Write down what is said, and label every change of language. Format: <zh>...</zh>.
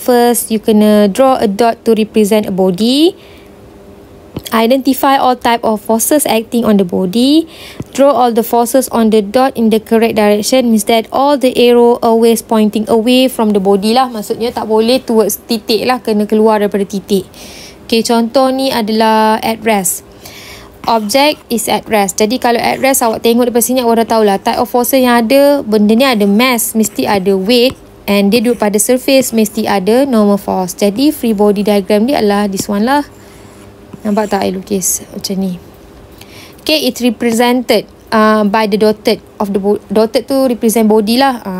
<en>First, you kena draw a dot to represent a body. Identify all type of forces acting on the body. Draw all the forces on the dot in the correct direction. Means that all the arrow always pointing away from the body lah.</en> <ms>Maksudnya tak boleh towards titik lah, kena keluar daripada titik. Okay, contoh ni adalah at rest.</ms> <en>Object is at rest.</en> <ms>Jadi kalau at rest, awak tengok daripada sini, awak dah tahulah type of force yang ada. Benda ni ada mass, mesti ada weight, and dia duduk pada surface, mesti ada normal force. Jadi free body diagram ni adalah this one lah. Nampak tak I lukis macam ni?</ms> <en>Okay, it represented by the dotted of the dotted tu represent body lah.</en>